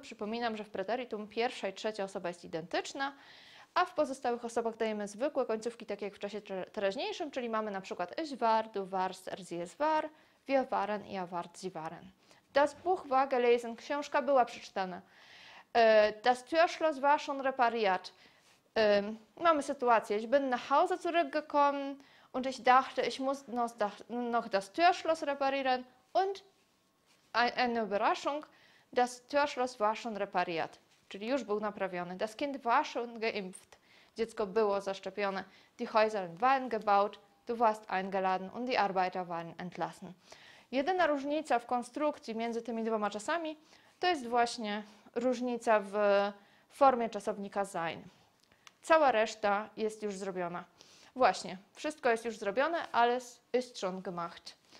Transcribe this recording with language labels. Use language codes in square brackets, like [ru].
[pl] Przypominam, że w preteritum pierwsza i trzecia osoba jest identyczna, a w pozostałych osobach dajemy zwykłe końcówki, takie jak w czasie teraźniejszym, czyli mamy na przykład [de] ich war, du warst, er sie es war, wir waren, ja wart, sie waren. Das Buch war gelesen, [pl] książka była przeczytana. [de] Das Türschloss war schon repariert. [pl] Mamy sytuację, [de] ich bin nach Hause zurückgekommen und ich dachte, ich muss noch das Türschloss reparieren und eine Überraschung, das Türschloss war schon repariert. [pl] Czyli już był naprawiony. [de] Das Kind war schon geimpft. [pl] Dziecko było zaszczepione. [de] Die Häuser waren gebaut. Du warst eingeladen. Und die Arbeiter waren entlassen. [pl] Jedyna różnica w konstrukcji między tymi dwoma czasami to jest właśnie różnica w formie czasownika sein. Cała reszta jest już zrobiona. Właśnie, wszystko jest już zrobione, [de] alles ist schon gemacht.